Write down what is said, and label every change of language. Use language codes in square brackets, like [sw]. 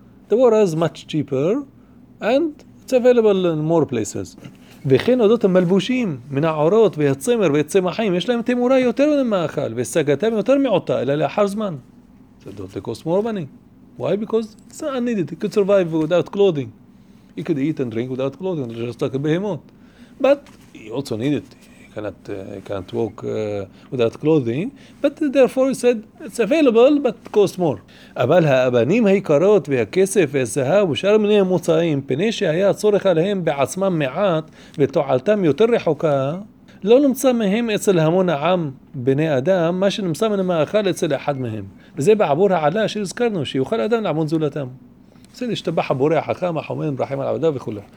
[en] The water is much cheaper, and it's available in more places. [he] וכן אודות המלבושים, מן העורות והצמר והצמחים, יש להם תמורה יותר מן המאכל, והשגתם יותר מעוטה, אלא לאחר זמן. [en] So don't they cost more money? Why? Because it's unneeded. You could survive without clothing. You could eat and drink without clothing, just like a behemoth. But you also need it. You cannot walk without clothing. But therefore he said, it's available, but it costs more. [he] אבל האבנים היקרות והכסף והזהב ושאר מיני המוצאים, פני שהיה צורך עליהם בעצמם מעט ותועלתם יותר רחוקה, לא נמצא מהם אצל המון העם בני אדם, מה שנמצא מן המאכל אצל אחד מהם. וזה בעבור העלה שהזכרנו, שיוכל אדם לעמוד זולתם. זה להשתבח הבורא החכם, החומן, ברחים על עבדה וכו'.